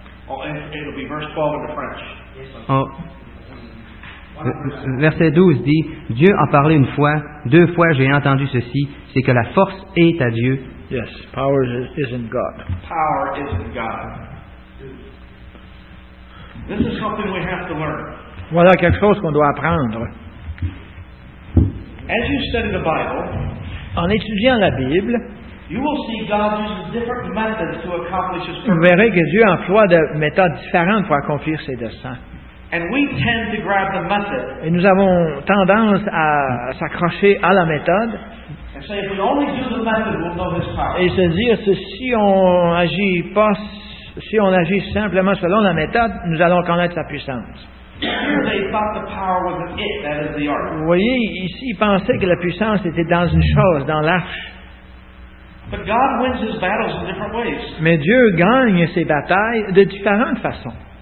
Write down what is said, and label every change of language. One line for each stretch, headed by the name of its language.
English: Oh, and it'll be verse 12 in the French. Oh.
French: Verset 12 dit, Dieu a parlé une fois, deux fois j'ai entendu ceci, c'est que la force est à Dieu.
English: Yes, power is in God. Power is in God. This is something we have to learn.
French: Voilà quelque chose qu'on doit apprendre.
English: As you study the Bible,
French: en étudiant la Bible,
English: You will see God uses different methods to accomplish His purpose.
French: Vous verrez que Dieu emploie de méthodes différentes pour accomplir ses desseins.
English: And we tend to grab the method.
French: Et nous avons tendance à s'accrocher à la méthode.
English: And say, if we only do the method, we'll know His power.
French: Et se dire que si on agit pas, si on agit simplement selon la méthode, nous allons connaître sa puissance.
English: Here they thought the power was in it, that is the ark.
French: Vous voyez, ici, ils pensaient que la puissance était dans une chose, dans l'arche.
English: But God wins His battles in different ways.
French: Mais Dieu gagne ses batailles de différentes façons.